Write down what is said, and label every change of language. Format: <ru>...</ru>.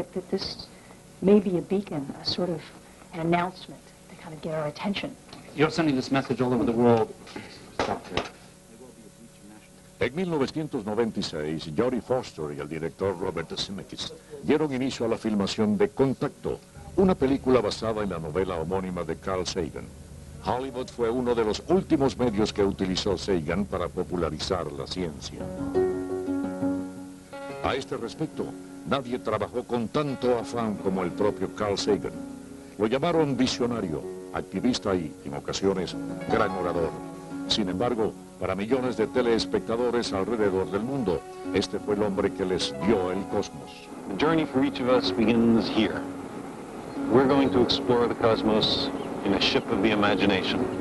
<en>This may be a beacon, a sort of an announcement to kind of get our attention. You're sending this message all over the world.</en> <es>En 1996, Jodie Foster y el director Robert Zemeckis dieron inicio a la filmación de Contacto, una película basada en la novela homónima de Carl Sagan. Hollywood fue uno de los últimos medios que utilizó Sagan para popularizar la ciencia. A este respecto, nadie trabajó con tanto afán como el propio Carl Sagan. Lo llamaron visionario, activista y, en ocasiones, gran orador. Sin embargo, para millones de telespectadores alrededor del mundo, este fue el hombre que les dio el cosmos.</es> <en>The journey for each of us begins here. We're going to explore the cosmos in a ship of the imagination.</en>